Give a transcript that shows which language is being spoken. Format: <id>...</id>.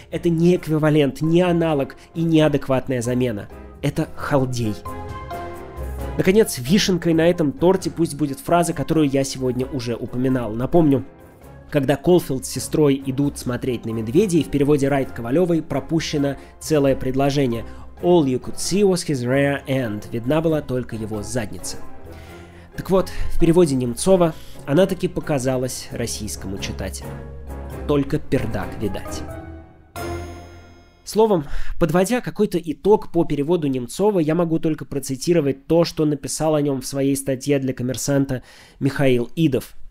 <ru>Это не эквивалент, не аналог и не адекватная замена. Это халдей. Наконец, вишенкой на этом торте пусть будет фраза, которую я сегодня уже упоминал. Напомню. Когда Колфилд с сестрой идут смотреть на медведей, в переводе Райт Ковалевой пропущено целое предложение.</ru> <en>All you could see was his rear end.</en> <ru>Видна была только его задница. Так вот, в переводе Немцова она таки показалась российскому читателю. Только пердак видать. Словом, подводя какой-то итог по переводу Немцова, я могу только процитировать то, что написал о нем в своей статье для «Коммерсанта» Михаил Идов.</ru>